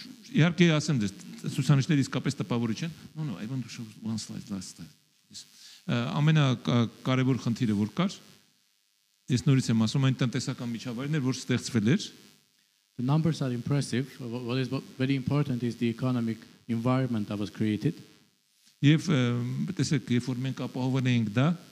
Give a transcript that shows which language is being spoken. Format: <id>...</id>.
<hy>Իհարկե ասեմ ձեզ, ցուցանիշները իսկապես տպավորիչ են.</hy> <en>No, I want to show one slide, last slide.</en> <hy>Ամենակարևոր խնդիրը որ կար, ես նորից եմ ասում, այն տնտեսական միջավայրն էր, որ ստեղծվել էր.</hy> <en>The numbers are impressive. What is very important is the economic environment that was created.</en> <hy>Եվ տեսեք, երբ որ մենք ապահովել ենք դա,</hy>